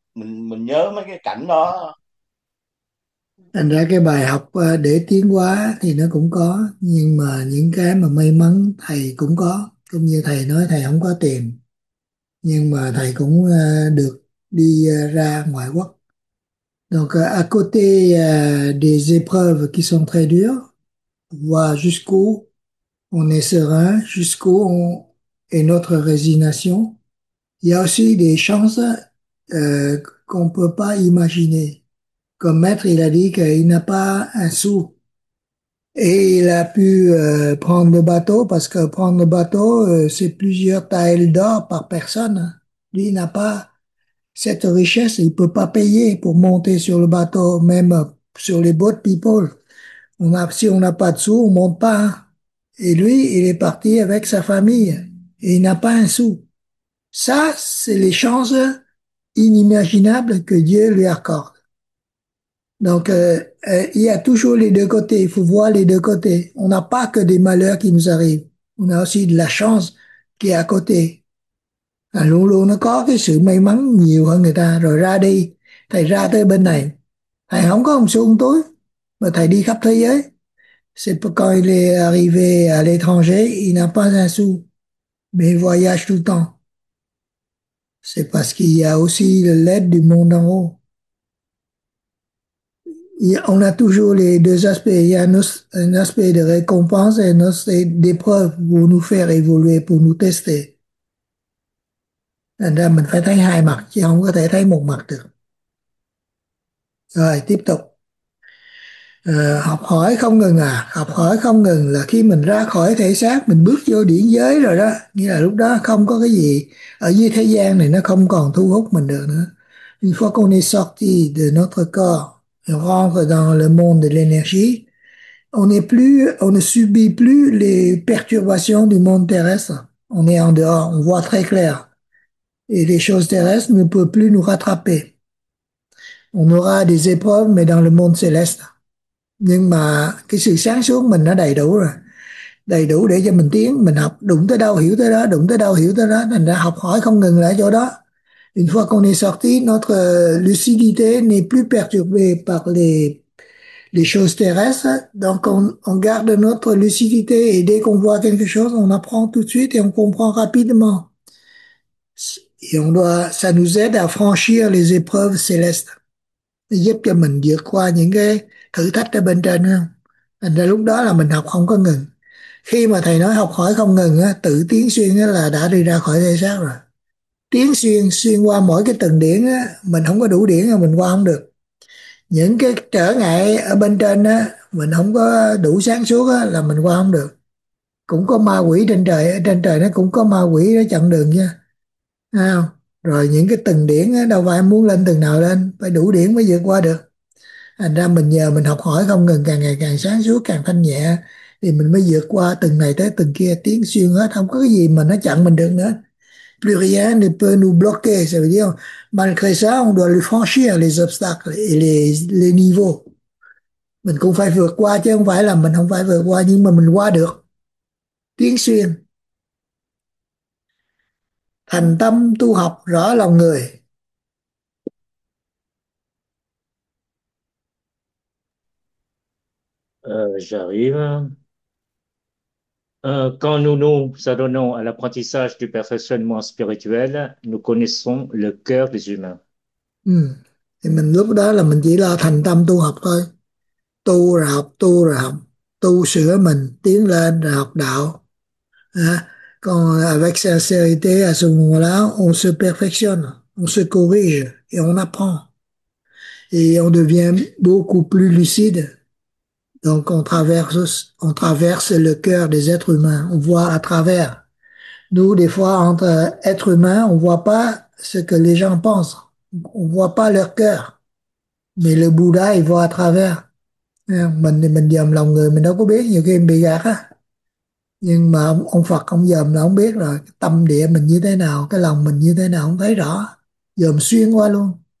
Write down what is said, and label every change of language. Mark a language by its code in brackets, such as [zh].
[vi] Mình nhớ mấy cái cảnh đó. Thành ra cái bài học để tiến hóa thì nó cũng có, nhưng mà những cái mà may mắn thầy cũng có, cũng như thầy nói thầy không có tiền, nhưng mà thầy cũng được đi ra ngoại quốc. [fr] Donc à côté des épreuves qui sont très dures, voir jusqu'où on est serein, jusqu'où est notre résignation, il y a aussi des chances qu'on ne peut pas imaginer. Comme maître, il a dit qu'il n'a pas un sou. Et il a pu prendre le bateau, parce que prendre le bateau, c'est plusieurs taëls d'or par personne. Lui, il n'a pas cette richesse. Il ne peut pas payer pour monter sur le bateau, même sur les boat people. Si on n'a pas de sou, on ne monte pas. Et lui, il est parti avec sa famille. Et il n'a pas un sou. Ça, c'est les chances inimaginables que Dieu lui accorde. Donc, il y a toujours les deux côtés, il faut voir les deux côtés. On n'a pas que des malheurs qui nous arrivent, on a aussi de la chance qui est à côté. [vi] À luôn luôn nó có cái sự may mắn nhiều hơn người ta. Rồi ra đi, thầy ra tới bên này, thầy không có một xu một túi, mà thầy đi khắp thế giới. [fr] C'est pourquoi il est arrivé à l'étranger, il n'a pas un sou, mais il voyage tout le temps. C'est parce qu'il y a aussi l'aide du monde en haut. On a toujours les deux aspects. Il y a un aspect de récompense et un aspect d'épreuve pour nous faire évoluer, pour nous tester. [vi] Thành ra mình phải thấy hai mặt, chứ không có thể thấy một mặt được. Rồi, tiếp tục. Học hỏi không ngừng à. Học hỏi không ngừng là khi mình ra khỏi thể xác, mình bước vô điển giới rồi đó. Nghĩa là lúc đó không có cái gì ở dưới thế gian này nó không còn thu hút mình được nữa. [fr] Une fois qu'on est sorti de notre corps, rentre dans le monde de l'énergie, on ne subit plus les perturbations du monde terrestre. On est en dehors, on voit très clair. Et les choses terrestres ne peuvent plus nous rattraper. On aura des épreuves, mais dans le monde céleste. [vi] Nhưng mà cái sự sáng suốt mình nó đầy đủ rồi. Đầy đủ để cho mình tiến, mình học, đụng tới đâu hiểu tới đó, đụng tới đâu hiểu tới đó. Thành ra học hỏi không ngừng lại chỗ đó. [fr] Une fois qu'on est sorti, notre lucidité n'est plus perturbée par les choses terrestres. Donc, on garde notre lucidité et dès qu'on voit quelque chose, on apprend tout de suite et on comprend rapidement. Et ça nous aide à franchir les épreuves célestes. [vi] Giúp cho mình vượt qua những cái thử thách ở bên trên. Thành ra lúc đó là mình học không có ngừng. Khi mà thầy nói học hỏi không ngừng, tự tiến xuyên là đã đi ra khỏi thể xác rồi. Tiến xuyên xuyên qua mỗi cái tầng điển á, mình không có đủ điển mình qua không được. Những cái trở ngại ở bên trên á, mình không có đủ sáng suốt á, là mình qua không được. Cũng có ma quỷ trên trời, nó cũng có ma quỷ nó chặn đường nha. À, rồi những cái tầng điển á, đâu phải muốn lên tầng nào lên, phải đủ điển mới vượt qua được. Thành ra mình nhờ mình học hỏi không ngừng, càng ngày càng sáng suốt, càng thanh nhẹ, thì mình mới vượt qua tầng này tới tầng kia, tiến xuyên hết, không có cái gì mà nó chặn mình được nữa. [fr] Plus rien ne peut nous bloquer, ça veut dire, malgré ça, on doit le franchir les obstacles et les niveaux. [vi] Mình cũng phải vượt qua, chứ không phải là mình không phải vượt qua, nhưng mà mình qua được. Tiến xuyên. Thành tâm tu học rõ lòng người. [fr] J'arrive. Quand nous adonnons à l'apprentissage du perfectionnement spirituel, nous connaissons le cœur des humains. [vi] Ừ. Thì mình lúc đó là mình chỉ là thành tâm tu học thôi. Tu rồi học, tu rồi học. Tu sửa mình, tiến lên rồi học đạo. À, còn [fr] avec sincérité, à ce moment-là, on se perfectionne, on se corrige et on apprend. Et on devient beaucoup plus lucide. Donc on traverse le cœur des êtres humains. On voit à travers. Nous, des fois, entre êtres humains, on voit pas ce que les gens pensent. On voit pas leur cœur, mais le Bouddha il voit à travers. [vi] Mình dòm lòng người mình đâu có biết, nhiều khi mình bị gạt á. Nhưng mà ông Phật ông giờ là ông biết rồi, tâm địa mình như thế nào, cái lòng mình như thế nào ông thấy rõ, dòm xuyên qua luôn.